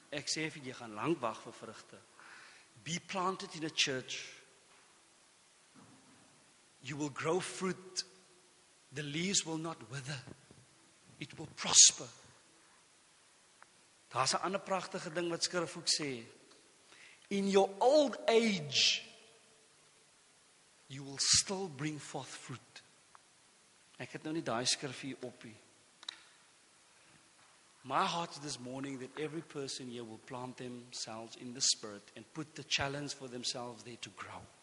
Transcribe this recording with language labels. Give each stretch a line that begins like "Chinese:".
Afrikaans: Ek sê vir jy gaan lank wag vir vrugte.
English: Be planted in a church. You will grow fruit. The leaves will not wither. It will prosper.
Afrikaans: Daar's 'n ander pragtige ding wat Skrif ook sê.
English: In your old age, you will still bring forth fruit.
Afrikaans: Ek het nou nie daai skrif hier op nie.
English: My heart this morning that every person here will plant themselves in the Spirit and put the challenge for themselves there to grow.